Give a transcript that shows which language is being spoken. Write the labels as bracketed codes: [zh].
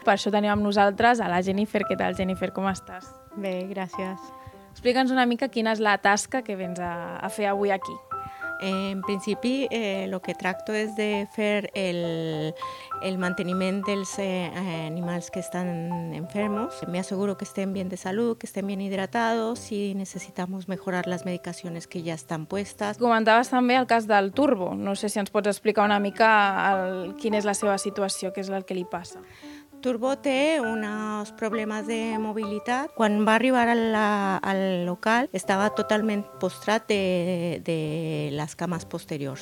[ca] Per això tenim amb nosaltres a la Jennifer. Què tal, Jennifer? Com estàs? Bé, gràcies. Explica'ns una mica quina és la tasca que vens a fer avui aquí. En principi, el que tracto és de fer el manteniment dels animals que estan enfermos. [es] Me asseguro que estén bien de salud, que estén bien hidratados y necesitamos mejorar las medicaciones que ya están puestas. [ca] Comentaves també el cas del Turbo. No sé si ens pots explicar una mica quina és la seva situació, què és el que li passa. Turbo té uns problemes de mobilitat. Quan va arribar al local, estava totalment postrat de les cames posteriors.